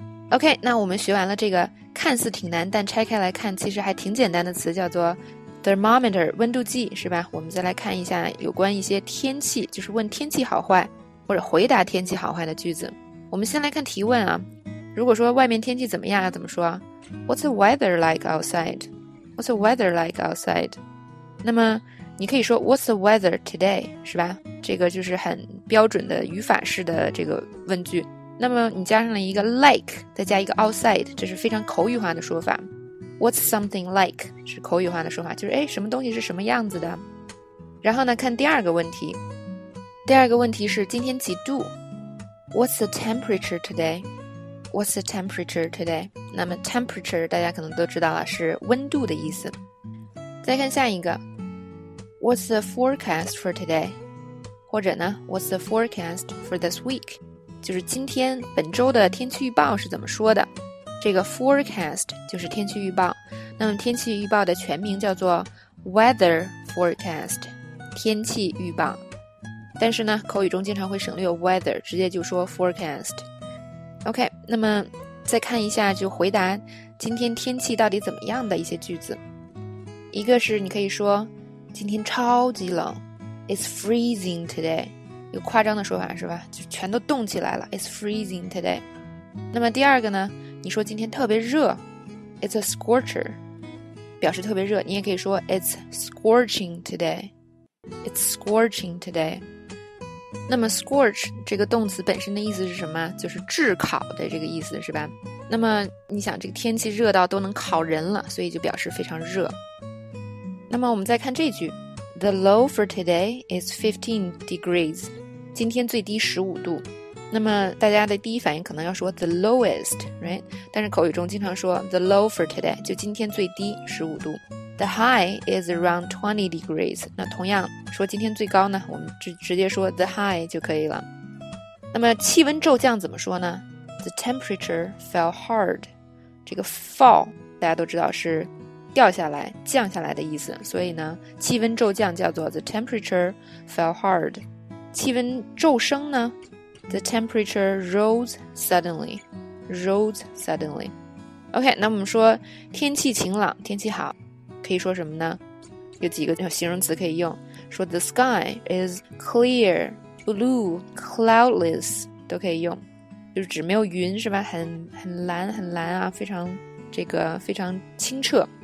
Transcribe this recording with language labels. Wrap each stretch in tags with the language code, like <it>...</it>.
<zh>OK， 那我们学完了这个看似挺难但拆开来看其实还挺简单的词，叫做 thermometer， 温度计，是吧？我们再来看一下有关一些天气，就是问天气好坏或者回答天气好坏的句子。我们先来看提问啊，如果说外面天气怎么样要怎么说？</zh> <en>What's the weather like outside? What's the weather like outside?</en> <zh>那么你可以说</zh> <en>What's the weather today?</en> <zh>是吧？这个就是很标准的语法式的这个问句。那么你加上了一个 like， 再加一个 outside， 这是非常口语化的说法。</zh> <en>What's something like</en> <zh>是口语化的说法，就是哎，什么东西是什么样子的。然后呢看第二个问题，第二个问题是今天几度？</zh> <en>What's the temperature today? What's the temperature today?</en> <zh>那么 temperature 大家可能都知道了，是温度的意思。再看下一个，</zh> <en>What's the forecast for today?</en> <zh>或者呢</zh> <en>What's the forecast for this week?</en> <zh>就是今天本周的天气预报是怎么说的。这个 forecast 就是天气预报，那么天气预报的全名叫做 weather forecast， 天气预报。但是呢口语中经常会省略 weather， 直接就说 forecast。 OK， 那么再看一下就回答今天天气到底怎么样的一些句子。一个是你可以说今天超级冷，</zh> <en>It's freezing today，</en> <zh>有夸张的说法是吧，就全都冻起来了，</zh> <en>It's freezing today。</en> <zh>那么第二个呢，你说今天特别热，</zh> <en>It's a scorcher，</en> <zh>表示特别热。你也可以说</zh> <en>It's scorching today， It's scorching today。</en> <zh>那么 scorch 这个动词本身的意思是什么？就是炙烤的这个意思，是吧？那么你想这个天气热到都能烤人了，所以就表示非常热。那么我们再看这句，</zh> <en>The low for today is 15 degrees，</en> <zh>今天最低15度。那么大家的第一反应可能要说</zh> <en>the lowest， right？</en> <zh>但是口语中经常说</zh> <en>the low for today，</en> <zh>就今天最低15度。</zh> <en>The high is around 20 degrees，</en> <zh>那同样说今天最高呢，我们就直接说</zh> <en>the high</en> <zh>就可以了。那么气温骤降怎么说呢？</zh> <en>The temperature fell hard，</en> <zh>这个 fall 大家都知道是掉下来降下来的意思，所以呢气温骤降叫做</zh> <en>The temperature fell hard。</en> <zh>气温骤升呢，</zh> <en>The temperature rose suddenly， rose suddenly。</en> <zh>OK， 那我们说天气晴朗天气好可以说什么呢？有几个形容词可以用，说</zh> <en>the sky is clear, blue, cloudless</en> <zh>都可以用，就是指没有云是吧，很蓝很蓝啊，非常这个非常清澈。</zh>